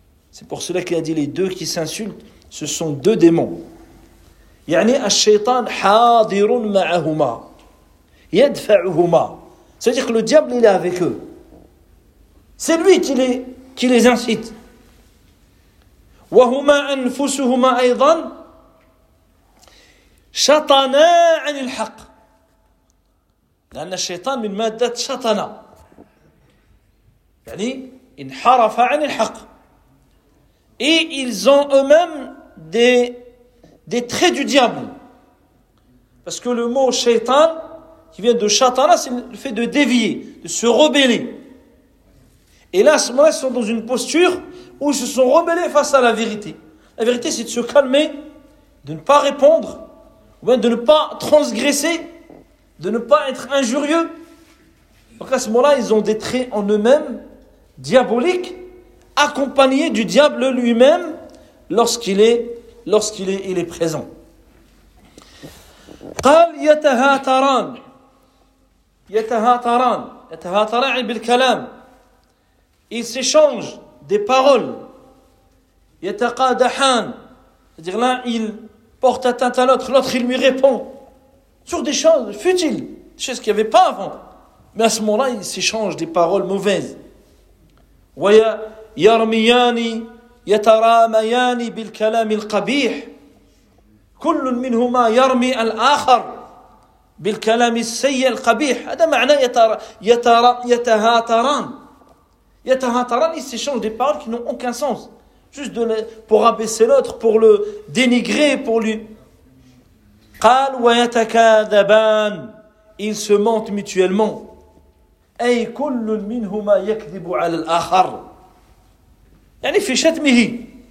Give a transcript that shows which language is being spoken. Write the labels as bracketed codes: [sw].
[fr] C'est pour cela qu'il a dit les deux qui s'insultent, ce sont deux démons. [ar] يعني الشيطان حاضر معهما يدفعهما. [fr] C'est-à-dire que le diable, il est avec eux. C'est lui qui les incite. [ar] وهما انفسهما ايضا شطنا عن الحق لان الشيطان من ماده شطنا يعني انحرف عن الحق [fr] اي ils ont eux-mêmes des traits du diable parce que le mot شيطان qui vient de شطنا c'est le fait de dévier, de se rebeller et là à ce moment-là ils sont dans une posture où ils se sont rebellés face à la vérité. La vérité, c'est de se calmer, de ne pas répondre, ou bien de ne pas transgresser, de ne pas être injurieux. Donc à ce moment-là, ils ont des traits en eux-mêmes diaboliques, accompagnés du diable lui-même lorsqu'il est présent. [ar] قال يتهاتران يتهاتران يتهاتران بالكلام. [fr] Ils s'échangent des paroles. Yataqadahan, c'est-à-dire l'un il porte atteinte à l'autre, l'autre il lui répond sur des choses futiles, des choses qu'il n'y avait pas avant. Mais à ce moment-là, ils s'échangent des paroles mauvaises. [ar] Waya yarmiyani yataramayani bil kalam al qabih. كل منهما يرمي الآخر بالكلام السيء القبيح. هذا معنى يتهاتران. [fr] Yatahataran, ils s'échangent des paroles qui n'ont aucun sens. Juste pour abaisser l'autre, pour le dénigrer, pour lui. [ar] Qal wa yatakadaban, [fr] ils se mentent mutuellement. [ar] Ay kullun minhuma yakdibu ala al-akhar. Yani fi shatmihi.